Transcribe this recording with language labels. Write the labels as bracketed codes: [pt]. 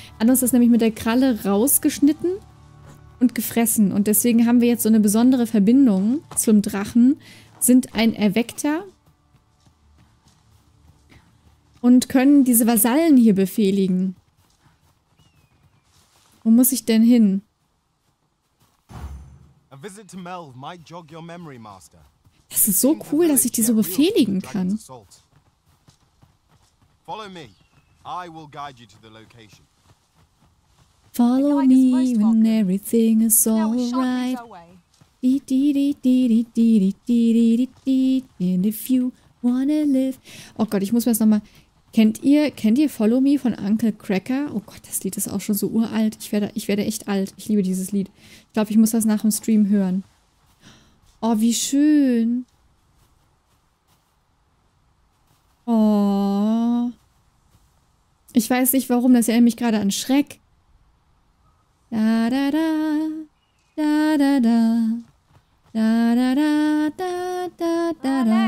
[de] Hat uns das nämlich mit der Kralle rausgeschnitten und gefressen. Und deswegen haben wir jetzt so eine besondere Verbindung zum Drachen, sind ein Erweckter und können diese Vasallen hier befehligen. Wo muss ich denn hin? [en] visit to Melv might jog your memory, Master. [de] Das ist so cool, dass ich die so befehligen kann. [en] Follow me. I will guide you to the location. Follow me when everything is alright. And if you wanna live. [de] Oh Gott, ich muss mir das nochmal. Kennt ihr Follow Me von Uncle Cracker? Oh Gott, das Lied ist auch schon so uralt. Ich werde echt alt. Ich liebe dieses Lied. Ich glaube, ich muss das nach dem Stream hören. Oh, wie schön. Oh. Ich weiß nicht warum, das erinnert mich gerade an Schreck. Da da da da da da da da da da da da da da da da da da da da da da da da da